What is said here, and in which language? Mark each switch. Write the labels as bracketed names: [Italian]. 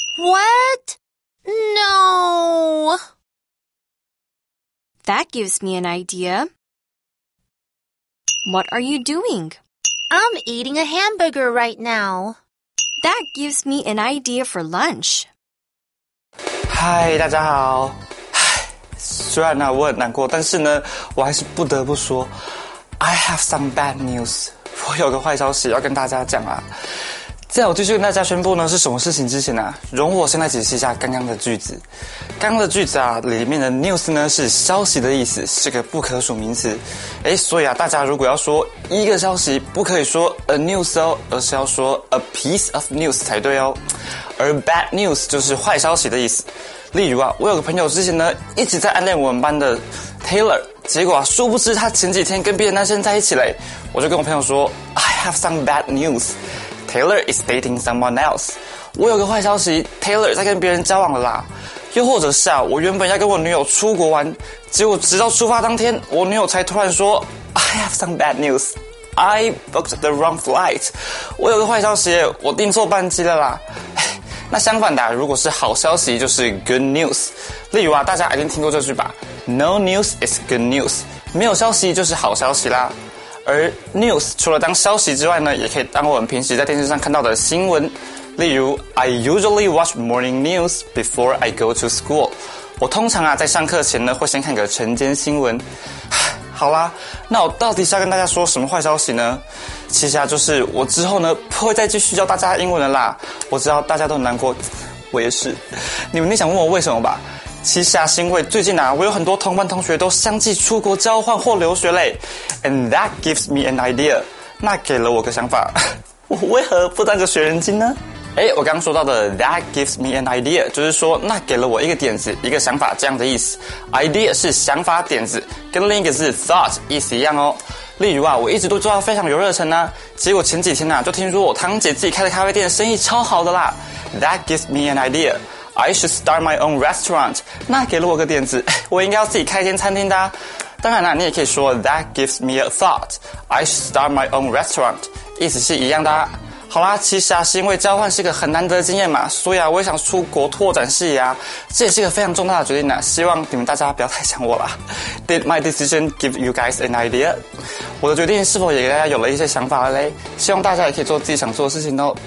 [English] What? No! That gives me an idea. What are you doing? I'm eating a hamburger right now. That gives me an idea for lunch. [Chinese] Hi, 大家好。虽然呢我很难过，但是呢我还是不得不说 ， [English] I have some bad news。 [Chinese] 我有个坏消息要跟大家讲啊。在我继续跟大家宣布呢是什么事情之前呢、啊，容我先来解释一下刚刚的句子。刚刚的句子啊，里面的 news 呢是消息的意思，是个不可数名词。哎，所以啊，大家如果要说一个消息，不可以说 a news 哦，而是要说 [English] a piece of news [Chinese] 才对哦。而 bad news 就是坏消息的意思。例如啊，我有个朋友之前呢一直在暗恋我们班的 Taylor， 结果啊，殊不知他前几天跟别的男生在一起嘞。我就跟我朋友说 [English] ，I have some bad news。 Taylor is dating someone else. [Chinese] 我有个坏消息， Taylor 在跟别人交往了啦。又或者是啊，我原本要跟我女友出国玩，结果直到出发当天，我女友才突然说 [English] I have some bad news. I booked the wrong flight. [Chinese] 我有个坏消息，我订错班机了啦。那相反的、啊、如果是好消息就是 good news. 例如啊，大家一定听过这句吧， [English] No news is good news. [Chinese] 没有消息就是好消息啦。而 news 除了当消息之外呢，也可以当我们平时在电视上看到的新闻。例如 [English] I usually watch morning news before I go to school. [Chinese] 我通常啊在上课前呢会先看个晨间新闻。好啦，那我到底是要跟大家说什么坏消息呢？其实啊就是我之后呢不会再继续教大家英文了啦。我知道大家都很难过，我也是。你们一定想问我为什么吧。其实啊，是因为最近啊，我有很多同班同学都相继出国交换或留学嘞。 [English] And that gives me an idea. [Chinese] 那给了我个想法。我为何不当个学人精呢？诶，我刚刚说到的 [English] that gives me an idea [Chinese] 就是说那给了我一个点子，一个想法这样的意思。 Idea 是想法点子，跟另一个字 thought 意思一样哦。例如啊，我一直都做到非常有热忱啊，结果前几天啊，就听说我堂姐自己开的咖啡店生意超好的啦。 [English] That gives me an idea. I should start my own restaurant. [Chinese] 那给了我个点子，我应该要自己开一间餐厅的、啊。当然啦、啊，你也可以说 [English] That gives me a thought. I should start my own restaurant. [Chinese] 意思是一样的、啊。好啦，其实啊，是因为交换是一个很难得的经验嘛，所以啊，我也想出国拓展视野啊。这也是一个非常重大的决定呢、啊。希望你们大家不要太想我啦。 [English] Did my decision give you guys an idea? [Chinese] 我的决定是否也给大家有了一些想法了嘞？希望大家也可以做自己想做的事情哦。